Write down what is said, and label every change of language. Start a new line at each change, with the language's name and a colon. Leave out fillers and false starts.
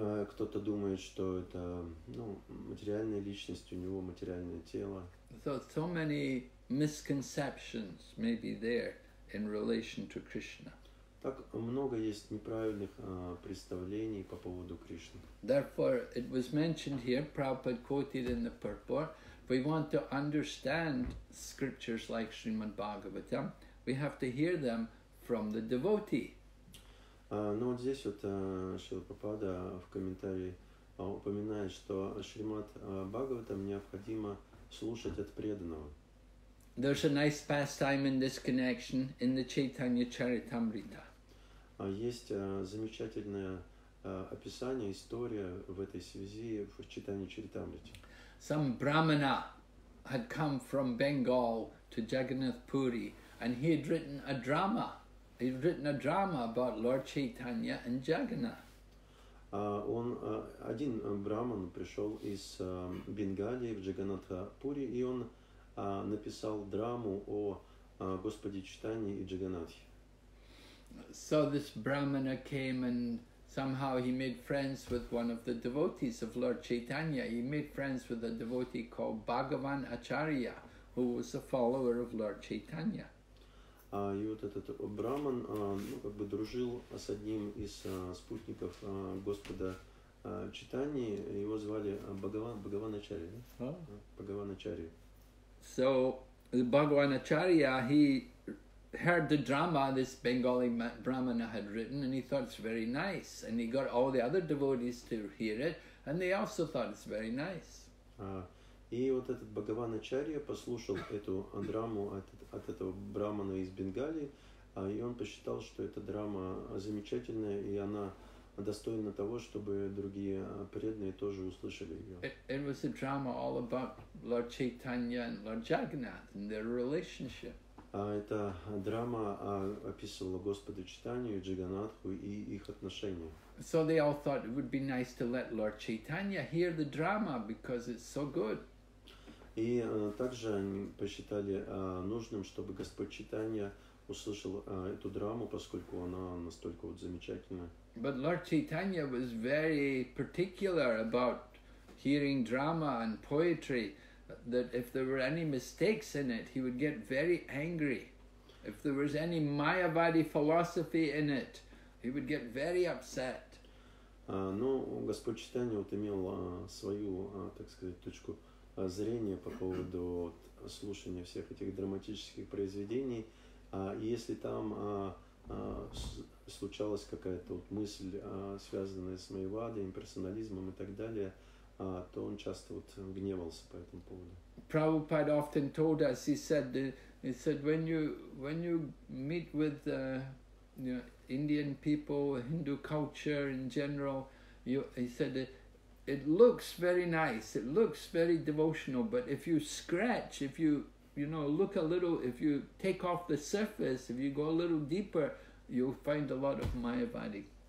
Russian: Кто-то думает, что это, ну, материальная личность, у него материальное тело.
English: So many misconceptions may be there in relation to Krishna.
Russian: Так много есть неправильных представлений по поводу Кришны.
English: Therefore, it was mentioned here, Prabhupada quoted in the purport, we want to understand scriptures like Srimad Bhagavatam, we have to hear them from the devotee.
Russian: Но вот здесь вот Шрила Прабхупада в комментарии упоминает, что Шримад Бхагаватам необходимо слушать от преданного.
English: There's a nice pastime in this connection in the Chaitanya Charitamrita.
Russian: Есть замечательное описание, история в этой связи в Чайтанья Чаритамрите.
English: Some brahmana had come from Bengal to Jagannath Puri, and he had written a drama. He'd written a drama about Lord Chaitanya and Jagannath.
Russian: Один Брахман пришел из Бенгалии в Джаганнатхапури, и он написал драму о Господе Чайтанье и Джаганнатхе.
English: So this Brahmana came and somehow he made friends with one of the devotees of Lord Chaitanya. He made friends with a devotee called Bhagavan Acharya, who was a follower of Lord Chaitanya.
Russian: И вот этот Брахман как бы дружил с одним из спутников Господа Чайтаньи, его звали Бхагаван Ачарья.
English: So Бхагаван Ачарья, he heard the drama this Bengali Brahmana had written, and he thought it's very nice, and he got all the other devotees to hear it, and they also thought it's very nice.
Russian: И вот этот Бхагаван Ачарья послушал эту драму от этого брахмана из Бенгалии, и он посчитал, что эта драма замечательная, и она достойна того, чтобы другие преданные тоже услышали ее.
English: It was a drama all about Lord Chaitanya and Lord Jagannath and their relationship.
Russian: Эта драма описывала Господа Чайтанью и Джаганнатху и их отношения.
English: So they all thought it would be nice to let Lord Chaitanya hear the drama because it's so good.
Russian: И также они посчитали нужным, чтобы Господь Чайтанья услышал эту драму, поскольку она настолько вот замечательная.
English: But Lord Chaitanya was very particular about hearing drama and poetry, that if there were any mistakes in it, he would get very angry. If there was any Mayavadi philosophy in it, he would get very upset.
Russian: Но Господь Чайтанья вот имел свою, так сказать, точку зрение по поводу вот, слушания всех этих драматических произведений, и если там случалась какая-то вот мысль, связанная с майявадой, имперсонализмом и так далее, то он часто вот гневался по этому поводу.
English: Prabhupada often told us, he said when you meet with you know, Indian people, Hindu culture in general, it looks very nice, it looks very devotional, but if you scratch, if you, you know, look a little, if you take off the surface, if you go a little deeper, you'll find a lot of Mayavadi.